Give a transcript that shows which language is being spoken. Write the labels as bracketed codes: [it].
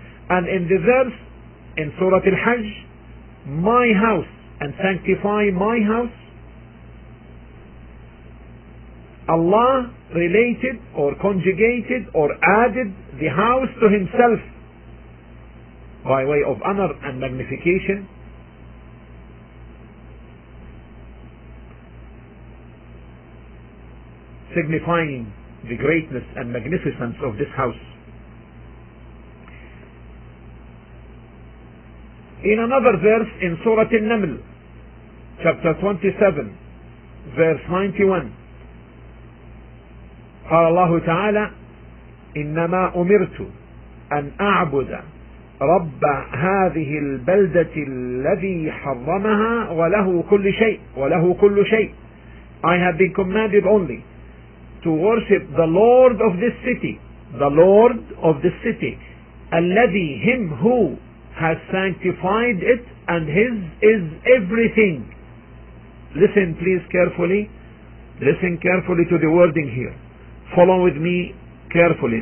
[en] And in the verse in Surah Al-Hajj, my house and sanctify my house, Allah related or conjugated or added the house to himself by way of honor and magnification. Signifying the greatness and magnificence of this house. In another verse in Surah An-Naml, chapter 27, verse 91, [ar] قال الله تعالى إنما أمرت أن أعبد رب هذه البلدة الذي حرمها وله كل شيء وله كل شيء. [en] I have been commanded only to worship the Lord of this city, the Lord of this city, الذي, him who has sanctified it, and his is everything. Listen please carefully, listen carefully to the wording here, follow with me carefully.